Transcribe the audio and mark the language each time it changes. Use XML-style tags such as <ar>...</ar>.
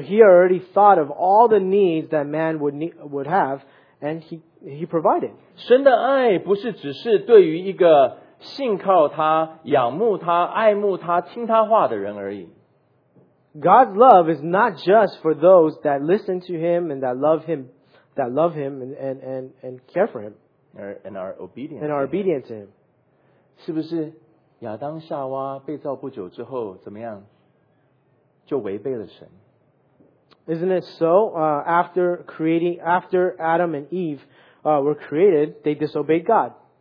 <en>he already thought of all the needs that man would have, and he provided.</en> <zh>神的爱不是只是对于一个信靠他、仰慕他、爱慕他、听他话的人而已。</zh> <en>God's love is not just for those that listen to him and that love him and care for him, and are obedient to him.</en> <zh>是不是？亚当夏娃被造不久之后怎么样就违背了神。</zh> <en>Isn't it so? After Adam and Eve were created, they disobeyed God.</en>